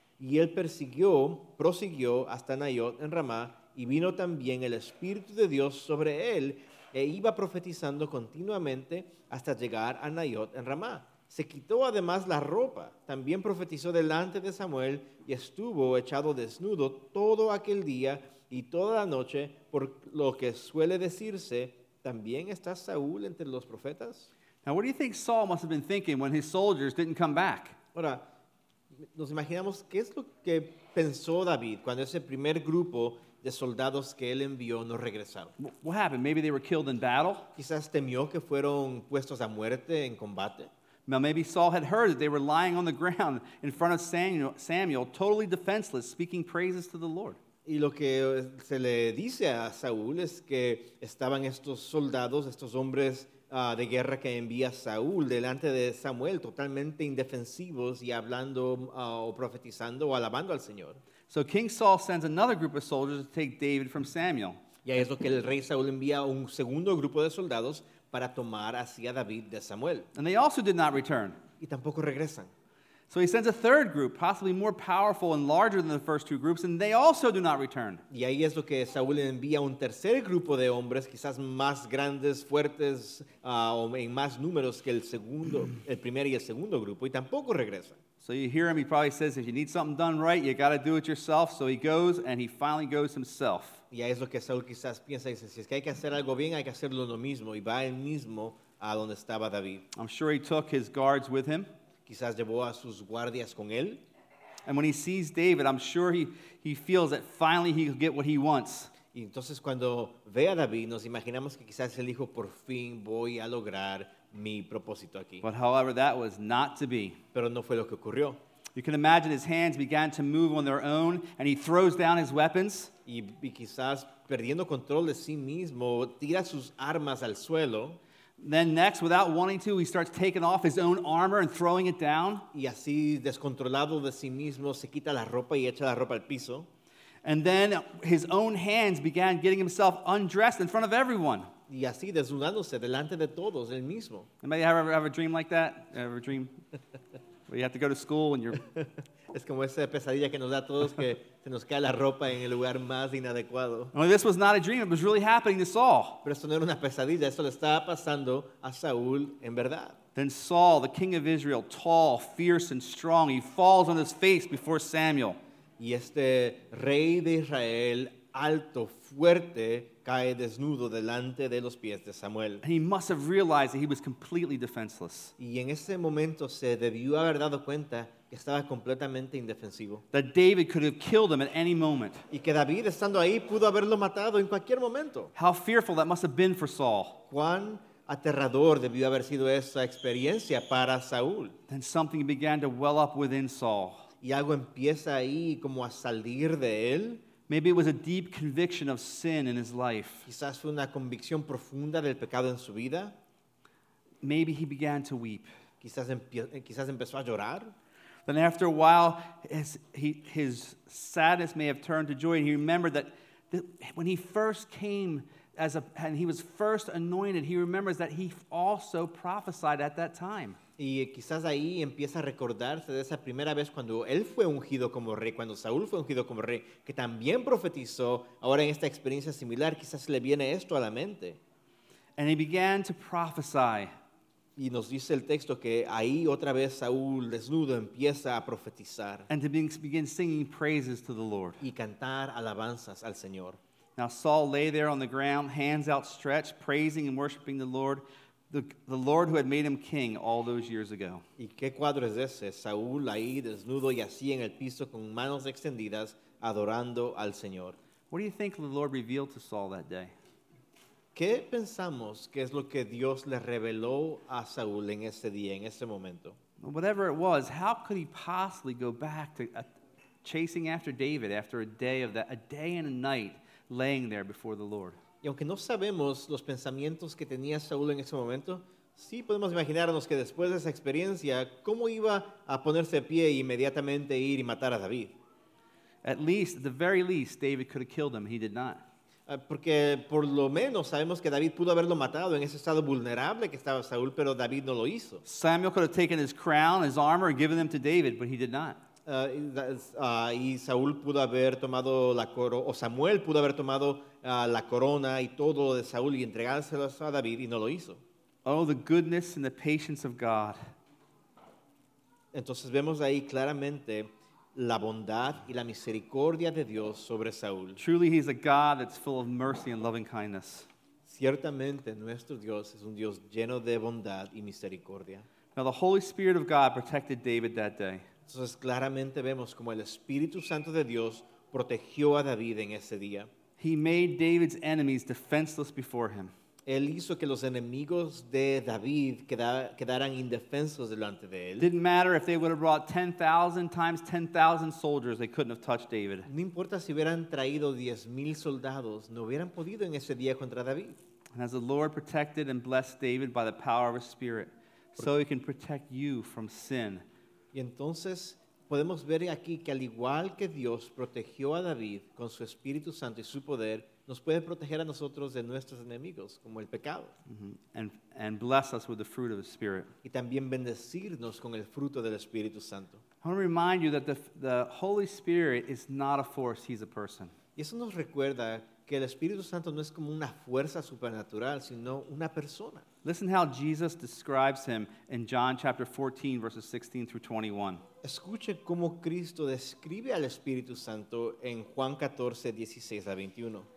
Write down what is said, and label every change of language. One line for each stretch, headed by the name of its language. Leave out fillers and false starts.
Spanish: Y él prosiguió hasta Nayot, en Ramá, y vino también el Espíritu de Dios sobre él, e iba profetizando continuamente hasta llegar a Nayot, en Ramá. Se quitó además la ropa, también profetizó delante de Samuel, y estuvo echado desnudo todo aquel día y toda la noche, por lo que suele decirse, ¿también está Saúl entre los profetas?
English: Now, what do you think Saul must have been thinking when his soldiers didn't come back?
Spanish: Ahora, nos imaginamos qué es lo que pensó David cuando ese primer grupo de soldados que él envió no regresaron.
English: What happened? Maybe they were killed in battle.
Spanish: Quizás temió que fueron puestos a muerte en combate.
English: Now, maybe Saul had heard that they were lying on the ground in front of Samuel, totally defenseless, speaking praises to the Lord.
Spanish: Y lo que se le dice a Saúl es que estaban estos soldados, estos hombres de guerra que envía Saúl delante de Samuel, totalmente indefensivos y hablando o profetizando o alabando al Señor.
English: So King Saul sends another group of soldiers to take David from Samuel.
Spanish: Y ahí es lo que el rey Saúl envía un segundo grupo de soldados para tomar hacia David de Samuel.
English: And they also did not return.
Spanish: Y tampoco regresan.
English: So he sends a third group, possibly more powerful and larger than the first two groups, and they also do not return.
Spanish: Y ahí es lo que Saúl envía un tercer grupo de hombres, quizás más grandes, fuertes, o en más números que el primer y el segundo grupo, y tampoco regresa.
English: So you hear him, he probably says, if you need something done right, you got to do it yourself. So he goes, and he finally goes himself.
Spanish: Y ahí es lo que Saúl quizás piensa, dice, si es que hay que hacer algo bien, hay que hacerlo lo mismo, y va él mismo a donde estaba David.
English: I'm sure he took his guards with him.
Spanish: Quizás llevó a sus guardias con él.
English: And when he sees David, I'm sure he feels that finally he'll get what he wants.
Spanish: Y entonces cuando ve a David, nos imaginamos que quizás él dijo, por fin voy a lograr mi propósito aquí.
English: But however, that was not to be.
Spanish: Pero no fue lo que ocurrió.
English: You can imagine his hands began to move on their own, and he throws down his weapons.
Spanish: Y quizás perdiendo control de sí mismo, tira sus armas al suelo.
English: Then next, without wanting to, he starts taking off his own armor and throwing it down.
Spanish: Y así, descontrolado de sí mismo, se quita la ropa y echa la ropa al piso.
English: And then his own hands began getting himself undressed in front of everyone.
Spanish: Y así, desnudándose delante de todos, él mismo.
English: Anybody ever have a dream like that? Ever dream? Where you have to go to school and you're...
Spanish: Es como esa pesadilla que nos da a todos que se nos cae la ropa en el lugar más inadecuado.
English: Well, this was not a dream. It was really happening to Saul.
Spanish: Pero esto no era una pesadilla. Esto le estaba pasando a Saúl en verdad.
English: Then Saul, the king of Israel, tall, fierce, and strong, he falls on his face before Samuel.
Spanish: Y este rey de Israel, alto, fuerte, cae desnudo delante de los pies de Samuel.
English: And he must have realized that he was completely defenseless.
Spanish: Y en ese momento se debió haber dado cuenta estaba completamente indefensivo.
English: That David could have killed him at any moment.
Spanish: Y que David estando ahí pudo haberlo matado en cualquier momento.
English: How fearful that must have been for Saul.
Spanish: Cuán aterrador debió haber sido esa experiencia para Saúl.
English: Then something began to well up within Saul.
Spanish: Y algo empieza ahí como a salir de él.
English: Maybe it was a deep conviction of sin in his life.
Spanish: Quizás fue una convicción profunda del pecado en su vida.
English: Maybe he began to weep.
Spanish: Quizás empezó a llorar.
English: Then after a while, his sadness may have turned to joy, and he remembered that when he first came and he was first anointed, he remembers that he also prophesied at that time.
Spanish: Y quizás ahí empieza a recordarse de esa primera vez cuando él fue ungido como rey, cuando Saúl fue ungido como rey, que también profetizó. Ahora en esta experiencia similar, quizás le viene esto a la mente.
English: And he began to prophesy.
Spanish: Y nos dice el texto que ahí otra vez Saúl desnudo empieza a profetizar.
English: And to begin singing praises to the Lord.
Spanish: Y cantar alabanzas al Señor.
English: Now Saul lay there on the ground, hands outstretched, praising and worshiping the Lord, the Lord who had made him king all those years ago.
Spanish: ¿Y qué cuadro es ese? Saúl ahí desnudo y así en el piso con manos extendidas adorando al Señor.
English: What do you think the Lord revealed to Saul that day?
Spanish: ¿Qué pensamos que es lo que Dios le reveló a Saúl en ese día, en ese momento?
English: Whatever it was, how could he possibly go back to chasing after David after a day and a night laying there before the Lord?
Spanish: Y aunque no sabemos los pensamientos que tenía Saúl en ese momento, sí podemos imaginarnos que después de esa experiencia, ¿cómo iba a ponerse de pie e inmediatamente ir y matar a David?
English: At least, at the very least, David could have killed him, he did not.
Spanish: Porque por lo menos sabemos que David pudo haberlo matado en ese estado vulnerable que estaba Saúl, pero David no lo hizo.
English: Samuel could have taken his crown, his armor, and given them to David, but he did not.
Spanish: Y Saúl pudo haber tomado la corona, o Samuel pudo haber tomado la corona y todo de Saúl y entregárselos a David, y no lo hizo.
English: Oh, the goodness and the patience of God.
Spanish: Entonces vemos ahí claramente la bondad y la misericordia de Dios sobre Saúl.
English: Truly, he's a God that's full of mercy and loving kindness.
Spanish: Ciertamente, nuestro Dios es un Dios lleno de bondad y misericordia.
English: Now, the Holy Spirit of God protected David that day.
Spanish: Entonces, claramente vemos como el Espíritu Santo de Dios protegió a David en ese día.
English: He made David's enemies defenseless before him.
Spanish: Él hizo que los enemigos de David quedaran indefensos delante de él.
English: Didn't matter if they would have brought 10,000 times 10,000 soldiers, they couldn't have touched David.
Spanish: No importa si hubieran traído 10,000 soldados, no hubieran podido en ese día contra David.
English: And as the Lord protected and blessed David by the power of His Spirit, so He can protect you from sin.
Spanish: Y entonces podemos ver aquí que al igual que Dios protegió a David con su Espíritu Santo y su poder, nos puede proteger a nosotros de nuestros enemigos, como el pecado.
English: And bless us with the fruit of the Spirit.
Spanish: Y también bendecirnos con el fruto del Espíritu Santo.
English: I want to remind you that the Holy Spirit is not a force, He's a person.
Spanish: Y eso nos recuerda que el Espíritu Santo no es como una fuerza supernatural, sino una persona.
English: Listen how Jesus describes Him in John chapter 14, verses 16 through 21.
Spanish: Escuche cómo Cristo describe al Espíritu Santo en Juan 14, 16 a 21.